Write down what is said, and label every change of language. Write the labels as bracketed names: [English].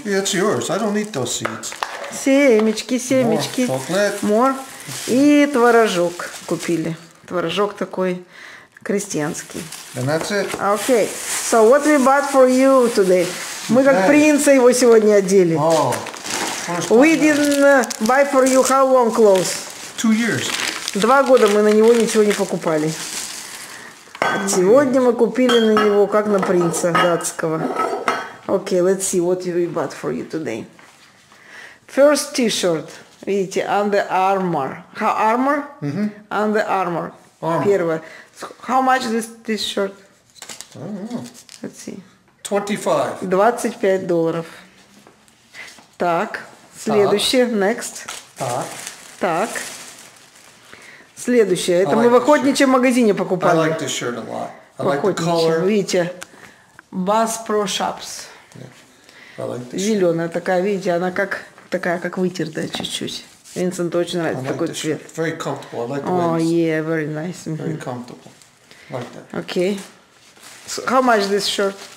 [English] No, yeah, it's yours. I don't eat those seeds. [Russian] Семечки. [English] More chocolate. More. [Russian] И творожок купили. Творожок такой крестьянский. [English] And that's it. Okay. So what we bought for you today? [Russian] Мы как принца его сегодня одели. [English] Oh, we didn't buy for you how long clothes? 2 years. [Russian] 2 года мы на него ничего не покупали. Сегодня мы купили на него как на принца датского. [English] Okay, let's see what we bought for you today. First t-shirt. [Russian] Видите, [English] Under Armour. How armor? Mm-hmm. Under Armour. [Russian] Первое. [English] How much this t-shirt? I don't know. Let's see. $25. [Russian] Так. Следующее. [English] Next. [Russian] Так. Следующее. Это мы в охотничьем магазине покупали. [English] I like this shirt a lot. I like the color. [Russian] Видите? Bass Pro Shops. Зеленая такая, видите, она как такая, как вытертая чуть-чуть. Винсенту очень нравится такой цвет. [English] Very comfortable. I like the lens. Oh, yeah, very nice. Mm-hmm. Very comfortable. Like that. Okay. So how much this shirt?